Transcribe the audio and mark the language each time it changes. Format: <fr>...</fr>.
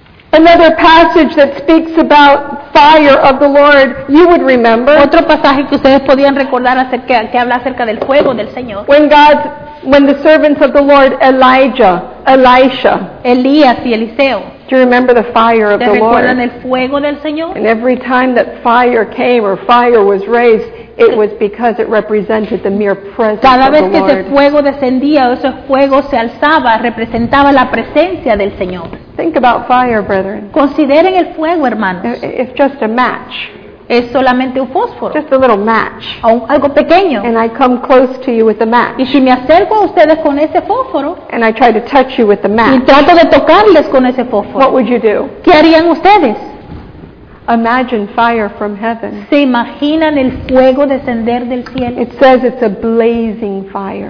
<en>Another passage that speaks about fire of the Lord, you would remember.</en> <es>Otro pasaje que ustedes podían recordar acerca que habla acerca del fuego del Señor.</es> <en>When the servants of the Lord, Elisha.</en> <es>Elías y Eliseo.</es> <en>Do you remember the fire of the Lord?</en> <es>¿Recuerdan el fuego del Señor?</es> <en>And every time that fire came or fire was raised, it was because it represented the mere presence of the Lord.</en> <es>Cada vez que ese fuego descendía o ese fuego se alzaba, representaba la presencia del Señor.</es> <en>Think about fire, brethren.</en> <es>Consideren el fuego, hermanos.</es> <en>It's just a match.</en> <es>Es solamente un fósforo.</es> <en>Just a little match.</en> <es>O algo pequeño.</es> <en>And I come close to you with the match.</en> <es>Y si me acerco a ustedes con ese fósforo.</es> <en>And I try to touch you with the match.</en> <es>Y trato de tocarles con ese fósforo.</es> <en>What would you do?</en> <es>¿Qué harían ustedes?</es> <en>Imagine fire from heaven.</en> <es>¿Se imaginan el fuego descender del cielo?</es> <en>It says it's a blazing fire.</en>